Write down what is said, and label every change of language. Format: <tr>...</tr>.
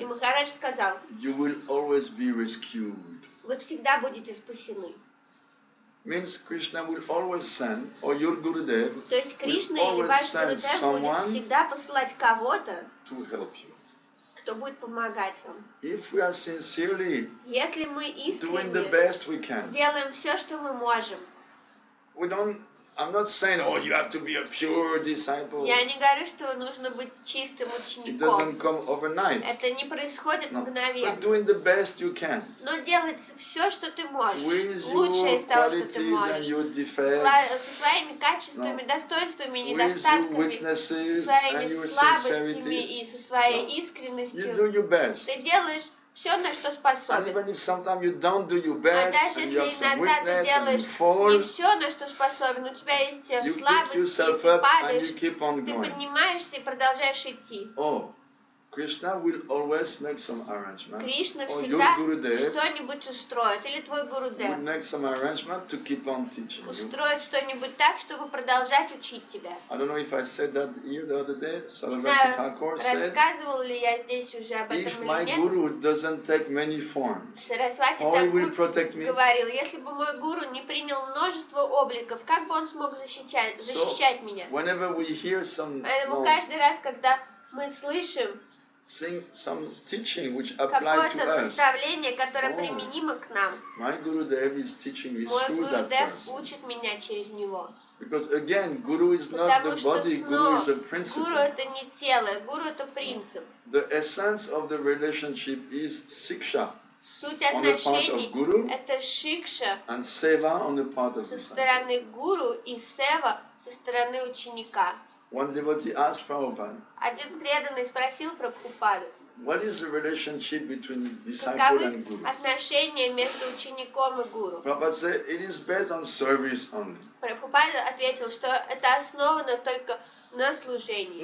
<ru>и Махарадж сказал,</ru> <en>you will always be rescued.</en> <ru>Вы всегда будете спасены.</ru> <en>Means Krishna will always send, or your Gurudev,</en> <ru>то есть Кришна или ваш Гурудев будет всегда посылать кого-то,</ru> <en>to help you.</en> <ru>Кто будет помогать вам.</ru> <en>If we are sincerely,</en> <ru>если мы искренне</ru> <en>doing the best we can,</en> <ru>делаем все, что мы можем,</ru> <en>we don't I'm not saying, oh, you have to be a pure disciple.</en> <ru>Я не говорю, что нужно быть чистым учеником.</ru> <en>It doesn't come overnight.</en> <ru>Это не происходит мгновенно.</ru> <en>But doing the best you can.</en> <ru>Но делать все, что ты можешь. Лучшее из того, что ты можешь. Со своими качествами, достоинствами, недостатками. Со своими слабостями и со своей искренностью.</ru> <en>You do your best.</en> <ru>Ты делаешь все, на что способен.</ru> <en>And even if sometimes you don't do your best,</en> <ru>а даже если иногда ты делаешь</ru> <en>fall,</en> <ru>не все, на что способен, у тебя есть слабости, ты падаешь, ты поднимаешься и продолжаешь идти.</ru> <en>Krishna will always make some arrangement.</en> <ru>Кришна всегда что-нибудь устроит, или твой Гурудев</ru> <en>will make some arrangement to keep on teaching.</en> <ru>Устроит что-нибудь так, чтобы продолжать учить тебя.</ru> <en>I don't know if I said that here the other day.</en> <ru>Рассказывал ли я здесь уже об этом или нет?</ru> <en>If my guru doesn't take many forms,</en> <ru>Сарасвати</ru> <en>how he will protect me?</en> <ru>Говорил, если бы мой гуру не принял множество обликов, как бы он смог защищать меня?</ru> <en>Whenever we hear some,</en> <ru>поэтому каждый раз, когда мы слышим</ru> <en>some teaching which apply to us.</en> <ru>Какое-то наставление, которое применимо к нам.</ru> <en>My Guru Dev is teaching me through that person.</en> <ru>Мой Гурудев учит меня через него.</ru> <en>Because again, Guru is not the body, Guru is a principle.</en> <ru>Гуру это не тело, Гуру это принцип.</ru> <en>The essence of the relationship is siksha.</en> <ru>Суть отношений это шикша.</ru> <en>And seva on the part of</en> <ru>со стороны Гуру и сева со стороны ученика.</ru> <en>One devotee asked Prabhupada.</en> <ru>Один преданный спросил Прабхупаду.</ru> <en>What is the relationship between disciple and guru?</en> <ru>Каковы отношения между учеником и гуру?</ru> <en>Prabhupada said it is based on service only.</en> <ru>Прабхупада ответил, что это основано только на служении.</ru>